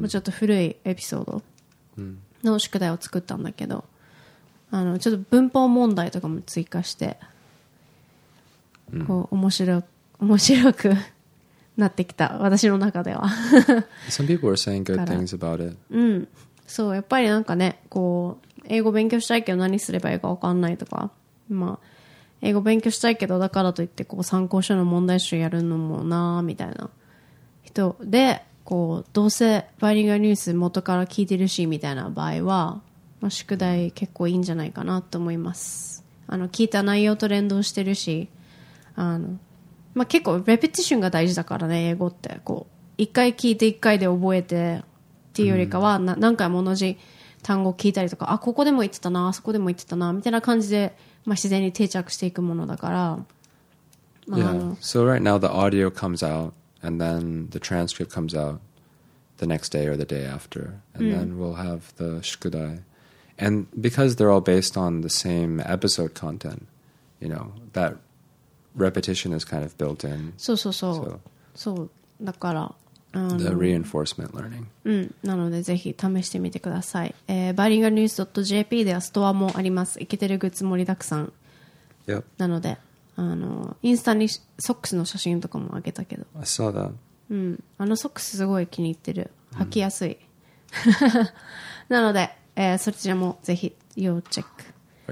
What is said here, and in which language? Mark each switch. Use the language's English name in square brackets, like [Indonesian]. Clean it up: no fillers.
[Japanese] もうちょっと古いエピソードの宿題を作ったんだけど、ちょっと文法問題とかも追加して、うん、こう面白くなってきた、私の中では。 [English] Some people are saying good things about it. [Japanese] うん、そう、やっぱりなんかね、こう英語勉強したいけど何すればいいか分かんないとか、まあ英語勉強したいけど、だからといってこう参考書の問題集やるのもなーみたいな人で、こうどうせバイリンガルニュース元から聞いてるしみたいな場合は、まあ、宿題結構いいんじゃないかなと思います。聞いた内容と連動してるし、まあ、結構レペティションが大事だからね、英語って。こう一回聞いて一回で覚えてっていうよりかは、何回も同じ単語聞いたりとか、あ、ここでも言ってたな、あそこでも言ってたなみたいな感じで、まあ、自然に定着していくものだから、まあ、yeah. [English] So right now the audio comes out and then the transcript comes out the next day or the day after and、 [Japanese] うん、 [English] then we'll have the 宿題 and because they're all based on the same episode content, you know, that repetition is kind of built in. [Japanese] そうそうそう、so. そうだから、 [English] The reinforcement learning. [Japanese] うん、なのでぜひ試してみてください。 bilingualnews.jp ではストアもあります。イケてるグッズ盛りだくさん。 [English] Yep. [Japanese] なので、インスタにソックスの写真とかもあげたけど。 [English] I saw that. [Japanese] うん、ソックスすごい気に入ってる。履きやすい。なので、そちらもぜひ要チェック。